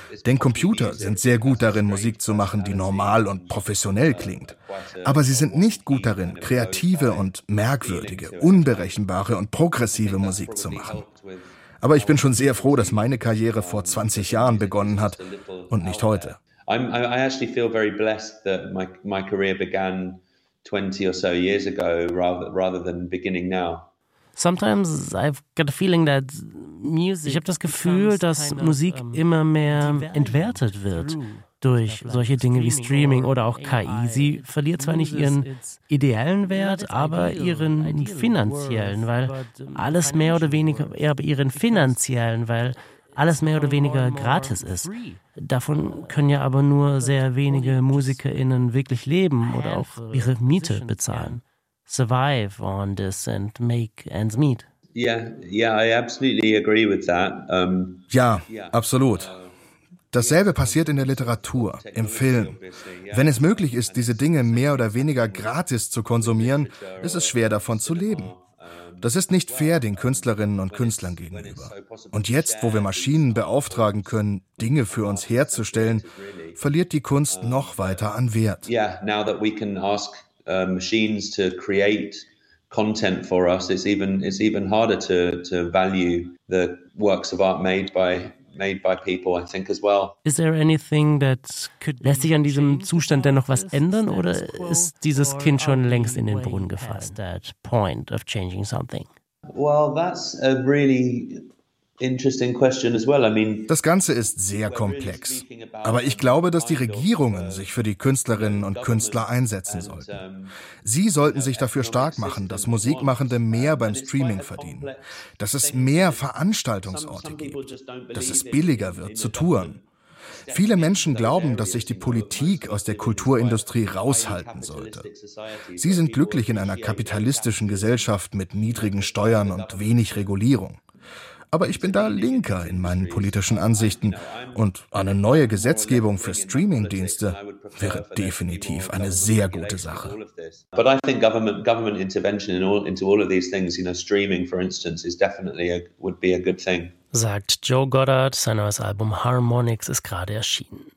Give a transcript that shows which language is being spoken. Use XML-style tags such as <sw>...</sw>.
<de>Denn Computer sind sehr gut darin, Musik zu machen, die normal und professionell klingt. Aber sie sind nicht gut darin, kreative und merkwürdige, unberechenbare und progressive Musik zu machen. Aber ich bin schon sehr froh, dass meine Karriere vor 20 Jahren begonnen hat und nicht heute.</de> <en>I actually feel very blessed that my career began 20 or so years ago rather than beginning now. Sometimes I've got a feeling that music.</en> <de>Ich habe das Gefühl, dass Musik immer mehr entwertet wird durch solche Dinge wie Streaming oder auch KI. Sie verliert zwar nicht ihren ideellen Wert, aber ihren finanziellen, weil alles mehr oder weniger gratis ist. Davon können ja aber nur sehr wenige MusikerInnen wirklich leben oder auch ihre Miete bezahlen.</de> <en>Survive on this and make ends meet. Yeah, I absolutely agree with that.</en> <de>Ja, absolut. Dasselbe passiert in der Literatur, im Film. Wenn es möglich ist, diese Dinge mehr oder weniger gratis zu konsumieren, ist es schwer, davon zu leben. Das ist nicht fair den Künstlerinnen und Künstlern gegenüber. Und jetzt, wo wir Maschinen beauftragen können, Dinge für uns herzustellen, verliert die Kunst noch weiter an Wert.</de> <en>Yeah, now that we can ask machines to create content for us, it's even harder to value the works of art made by people, I think as well. Is there anything that could</en> <de>lässt sich an diesem Zustand denn noch was ändern oder ist dieses Kind schon längst in den Brunnen gefallen?</de> <en>That point of changing something. Well, that's a really interesting question as well. I mean,</en> <de>das Ganze ist sehr komplex, aber ich glaube, dass die Regierungen sich für die Künstlerinnen und Künstler einsetzen sollten. Sie sollten sich dafür stark machen, dass Musikmachende mehr beim Streaming verdienen, dass es mehr Veranstaltungsorte gibt, dass es billiger wird zu touren. Viele Menschen glauben, dass sich die Politik aus der Kulturindustrie raushalten sollte. Sie sind glücklich in einer kapitalistischen Gesellschaft mit niedrigen Steuern und wenig Regulierung. Aber ich bin da linker in meinen politischen Ansichten und eine neue Gesetzgebung für Streamingdienste wäre definitiv eine sehr gute Sache.</de> <en>But I think government intervention into all of these things, you know, streaming for instance is definitely would be a good thing.</en> <de>Sagt Joe Goddard, sein neues Album Harmonix ist gerade erschienen.</de>